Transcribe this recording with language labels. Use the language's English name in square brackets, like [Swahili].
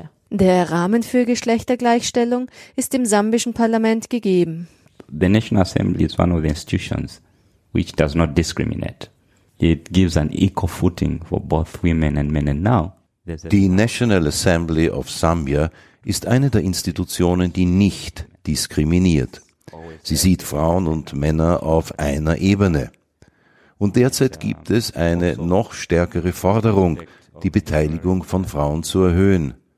[German] Der Rahmen für Geschlechtergleichstellung ist im sambischen Parlament gegeben. [English] The National Assembly is one of the institutions which does not discriminate. It gives an equal footing for both women and men. And now, [German] die National Assembly of Zambia ist eine der Institutionen, die nicht diskriminiert. Sie sieht Frauen und Männer auf einer Ebene. Und derzeit gibt es eine noch stärkere Forderung, die Beteiligung von Frauen zu erhöhen.